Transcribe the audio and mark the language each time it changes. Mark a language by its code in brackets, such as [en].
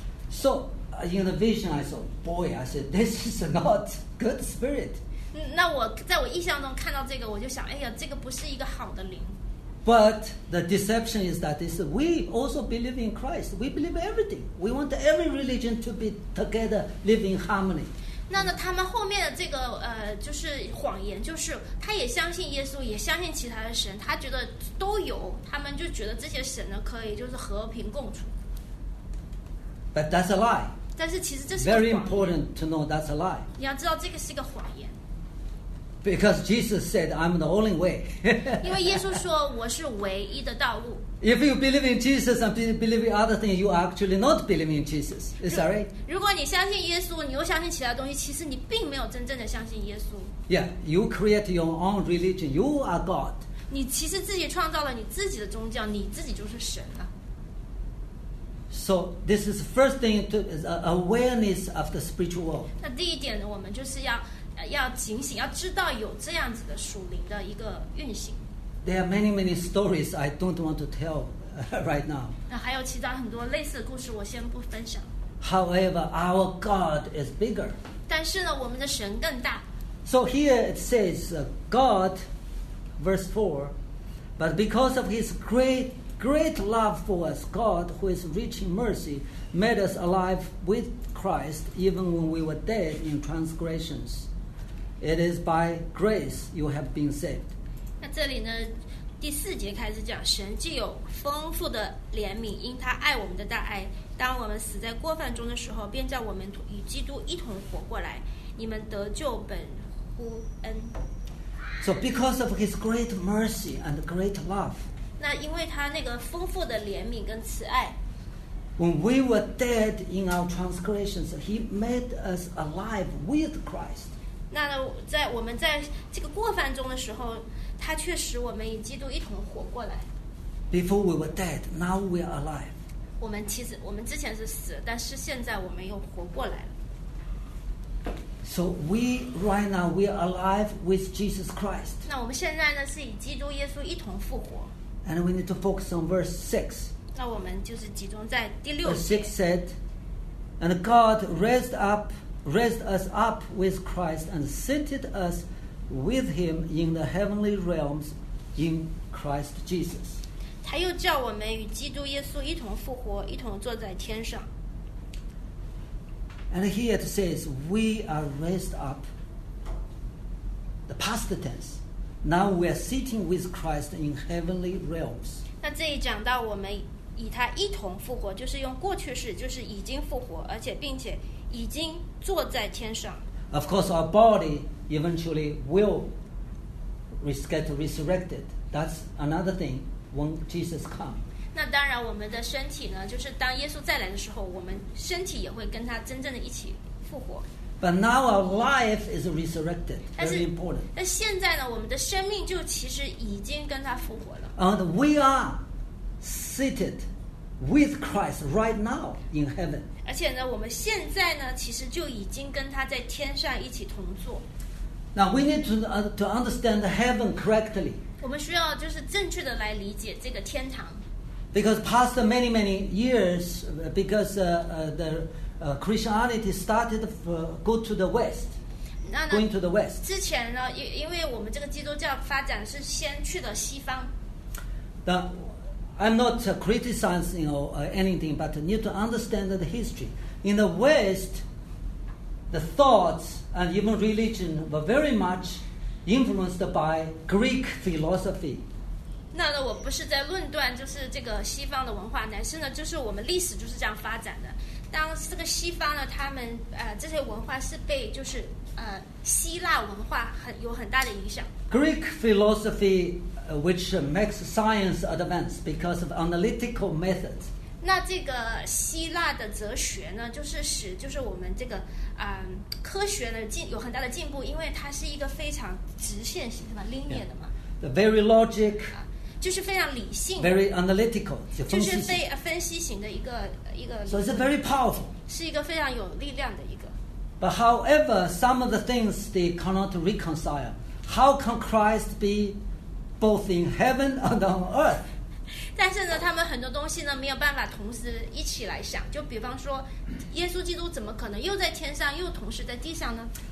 [en] So in the vision, I saw boy. I said, "This is not good spirit." [zh] 那我在我印象中看到这个，我就想，哎呀，这个不是一个好的灵。 [en] But the deception is that this we also believe in Christ. We believe everything. We want every religion to be together, live in harmony. [zh] 那他们后面的这个就是谎言，就是他也相信耶稣，也相信其他的神，他觉得都有，他们就觉得这些神呢可以就是和平共处。 [en] But that's a lie. [zh] 但是其实这是 [en] very important to know that's a lie. [zh] 你要知道这个是一个谎言。 [en] Because Jesus said, "I'm the only way." [zh] 因为耶稣说我是唯一的道路。 [en] If you believe in Jesus and believe in other things, you are actually not believing in Jesus. Is that right? [zh] 如果你相信耶稣，你又相信其他东西，其实你并没有真正的相信耶稣。 [en] Yeah, you create your own religion. You are God. [zh] 你其实自己创造了你自己的宗教，你自己就是神了。 [en] So this is the first thing to is awareness of the spiritual world. [zh] 那第一点呢，我们就是要警醒，要知道有这样子的属灵的一个运行。 [en] There are many, many stories I don't want to tell right now. [zh] 那还有其他很多类似的故事，我先不分享。 [en] However, our God is bigger. [zh] 但是呢，我们的神更大。 [en] So here it says, God, verse 4, but because of His great, great love for us, God, who is rich in mercy, made us alive with Christ, even when we were dead in transgressions. It is by grace you have been saved. [zh] 那这里呢，第四节开始讲，神既有丰富的怜悯，因他爱我们的大爱，当我们死在过犯中的时候，便叫我们与基督一同活过来。你们得救本乎恩。 [en] So because of His great mercy and great love. [zh] 那因为他那个丰富的怜悯跟慈爱。 [en] When we were dead in our transgressions, He made us alive with Christ. [zh] 那在我们在这个过犯中的时候。他确实我们与基督一同活过来。 [en] Before we were dead, now we are alive. [zh] 我们之前是死，但是现在我们又活过来了。 [en] So we right now we are alive with Jesus Christ. [zh] 那我们现在呢是与基督耶稣一同复活。 [en] And we need to focus on verse 6. [zh] 那我们就是集中在第六节。 [en] Verse 6 said, "And God raised us up with Christ and seated us." With him in the heavenly realms, in Christ Jesus. [zh] 他又叫我们与基督耶稣一同复活，一同坐在天上。 [en] And here it says, "We are raised up." The past tense. Now we are sitting with Christ in heavenly realms. [zh] 那这里讲到我们与他一同复活，就是用过去式，就是已经复活，而且并且已经坐在天上。 [en] Of course, our body. Eventually will get resurrected. That's another thing when Jesus comes. [zh] 那当然，我们的身体呢，就是当耶稣再来的时候，我们身体也会跟他真正的一起复活。 [en] But now our life is resurrected. Very important. [zh] 但现在呢，我们的生命就其实已经跟他复活了。 [en] And we are seated with Christ right now in heaven. [zh] 而且呢，我们现在呢，其实就已经跟他在天上一起同坐。 [en] Now we need to understand the heaven correctly. [zh] 我们需要就是正确的来理解这个天堂。 [en] Because past many many years, because the Christianity started for, go to the west, going to the west. [zh] 之前呢，因为我们这个基督教发展是先去的西方。 [en] Now, I'm not criticizing or anything, but need to understand the history. In the west, the thoughts. And even religion were very much influenced by Greek philosophy. [zh] 那呢，我不是在论断，就是这个西方的文化，乃是呢，就是我们历史就是这样发展的。当这个西方呢，他们这些文化是被就是希腊文化很有很大的影响。 [en] Greek philosophy, which makes science advance because of analytical methods. [zh] 那这个希腊的哲学呢，就是使就是我们这个科学呢进有很大的进步，因为它是一个非常直线性的嘛 ，linear 的嘛。 [en] Yeah. The very logic. [zh] 就是非常理性的。 [en] Very analytical. [zh] 就是分析型的一个。 [en] So it's very powerful. [zh] 是一个非常有力量的一个。 [en] But however, some of the things they cannot reconcile. How can Christ be both in heaven and on earth? [zh] 但是呢，他们很多东西呢没有办法同时一起来想。就比方说，耶稣基督怎么可能又在天上又同时在地上呢